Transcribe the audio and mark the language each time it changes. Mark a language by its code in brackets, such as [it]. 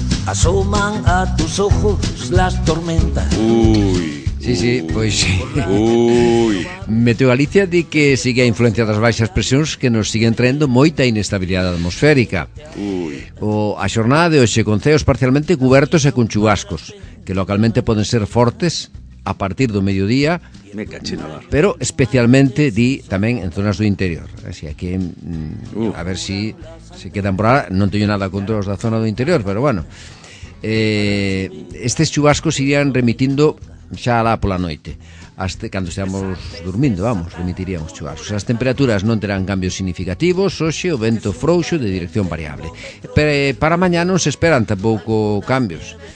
[es] Asoman a tus ojos las tormentas. Uy. Sí, sí, pues uy. [gl] Meteo Galicia di que sigue a influencia das baixas presións que nos siguen traendo moita inestabilidade atmosférica. Uy. A xornada de hoxe con ceos parcialmente cubertos e con chubascos, que localmente poden ser fortes a partir do mediodía. [es] Me caché Navarro. [gl] Pero especialmente di tamén en zonas do interior. [es] Así que a ver si se quedan por ahora. [gl] Non teño nada contra os da zona do interior, pero bueno. Estes chubascos irían remitindo xa lá pola noite. Hasta cando estamos durmindo, vamos, remitiríamos chuvascos. As temperaturas non terán cambios significativos. Hoxe o vento frouxo de dirección variable. Para mañá non se esperan tampouco cambios.